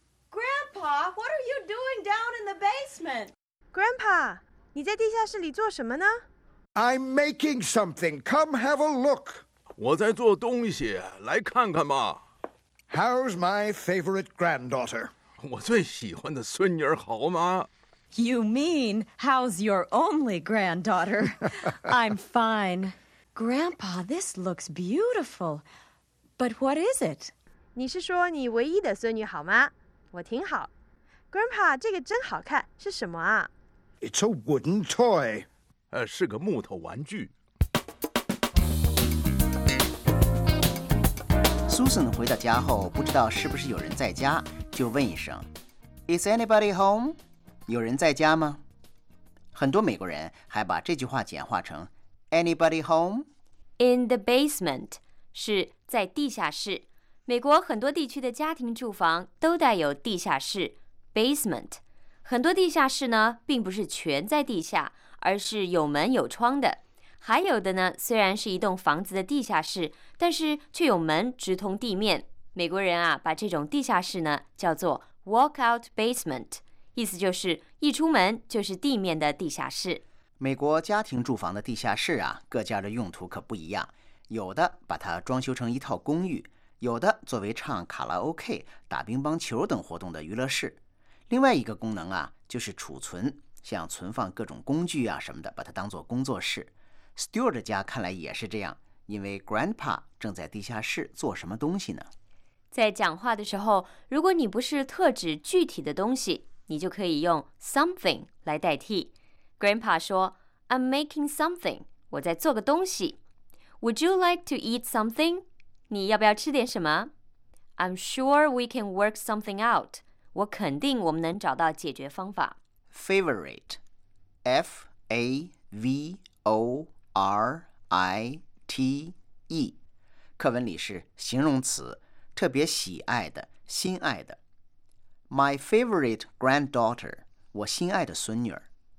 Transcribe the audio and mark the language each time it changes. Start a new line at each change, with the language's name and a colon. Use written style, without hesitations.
English: Grandpa, what are you doing down in the basement?
Chinese: Grandpa, 你在地下室里做什么呢？
English: I'm making something. Come have a look.
Chinese: 我在做东西，来看看吧。
English: How's my favorite granddaughter?
Chinese: 我最喜欢的孙女儿好吗？
English: You mean, how's your only granddaughter? I'm fine. Grandpa, this looks beautiful. But what is it?
Chinese: 你是说你唯一的孙女好吗？我挺好。Grandpa, 这个真好看，是什么啊？
English: It's a wooden toy.
Chinese: 是个木头玩具。 Susan 回到家后，不知道是不是有人在家，就问一声
English: Is anybody home?
Chinese: 有人在家吗？很多美国人还把这句话简化成
English: Anybody home? In the basement
Chinese: 是在地下室。美国很多地区的家庭住房都带有地下室 Basement。很多地下室呢，并不是全在地下，而是有门有窗的。还有的呢，虽然是一栋房子的地下室，但是却有门直通地面。美国人啊，把这种地下室呢叫做 walkout basement， 意思就是一出门就是地面的地下室。美国家庭住房的地下室啊，各家的用途可不一样，有的把它装修成一套公寓，有的作为唱卡拉 OK、 打乒乓球等活动的娱乐室。另外一个功能啊，就是储存，像存放各种工具啊什么的，把它当作工作室。 Stuart 家看来也是这样，因为 Grandpa 正在地下室做什么东西呢？在讲话的时候，如果你不是特指具体的东西，你就可以用 something 来代替。 Grandpa 说
English: I'm making something，
Chinese: 我在做个东西。
English: Would you like to eat something？
Chinese: 你要不要吃点什么？
English: I'm sure we can work something out，
Chinese: 我肯定我们能找到解决方法。 Favorite, F-A-V-O-R-I-T-E， 课文里是形容词，特别喜爱的、心爱的。
English: My favorite granddaughter，
Chinese: 我心爱的孙女儿。